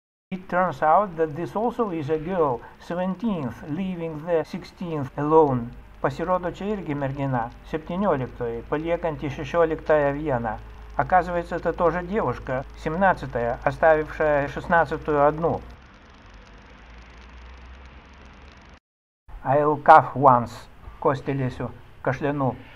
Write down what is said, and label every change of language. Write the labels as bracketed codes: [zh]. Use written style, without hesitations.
[en] It turns out that this also is a girl, 17th, leaving the 16th alone. [lt] Pasirodo čia irgi mergina, 17-oji, paliekanti 16-ąją vieną. [ru] Оказывается, это тоже девушка, 17-ая, оставившая 16-ую одну. [en] I'll cough once, [lt] костелесю, [ru] кашляну.